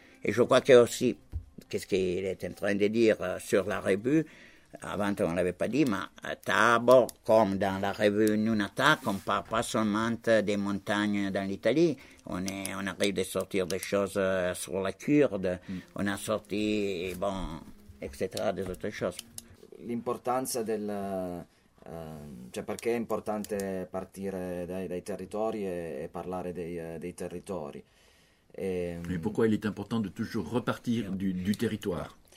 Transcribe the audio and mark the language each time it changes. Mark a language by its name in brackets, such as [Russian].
[French] Et je crois que aussi, qu'est-ce qu'il est en train de dire sur la revue, avant on ne l'avait pas dit, mais Tabor, comme dans la revue Nunata, on ne parle pas seulement des montagnes dans l'Italie, on arrive de sortir des choses sur la Kurde, on a sorti, bon, etc., des autres choses. [Italian] L'importanza del... cioè perché è importante partire dai territori e parlare dei territori. [French] Mais pourquoi il est important de toujours repartir du territoire?